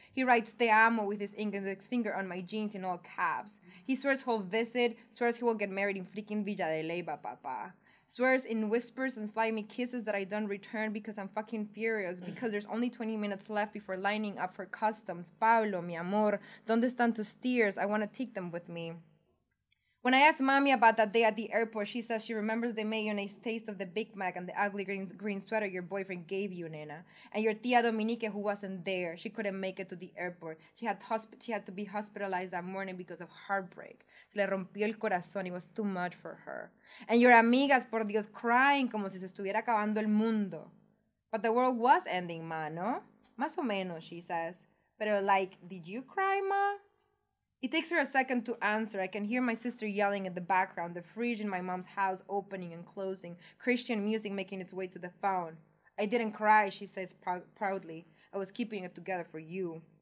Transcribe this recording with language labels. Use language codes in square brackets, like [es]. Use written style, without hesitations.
[en] He writes [es] te amo [en] with his index finger on my jeans in all caps. He swears he'll visit, swears he will get married in freaking Villa de Leyva, papa. Swears in whispers and slimy kisses that I don't return because I'm fucking furious because there's only 20 minutes left before lining up for customs. [es] Pablo, mi amor, ¿dónde están tus tears? [en] I want to take them with me. When I ask mommy about that day at the airport, she says she remembers the mayonnaise taste of the Big Mac and the ugly green sweater your boyfriend gave you, nena. And your tia Dominique, who wasn't there, she couldn't make it to the airport. She had to be hospitalized that morning because of heartbreak. [es] Se le rompió el corazón. [en] It was too much for her. And your [es] amigas, por Dios, [en] crying [es] como si se estuviera acabando el mundo. [en] But the world was ending, ma, no? [es] Más o menos, [en] she says. Pero, like, did you cry, ma? It takes her a second to answer. I can hear my sister yelling in the background, the fridge in my mom's house opening and closing, Christian music making its way to the phone. I didn't cry, she says proudly. I was keeping it together for you.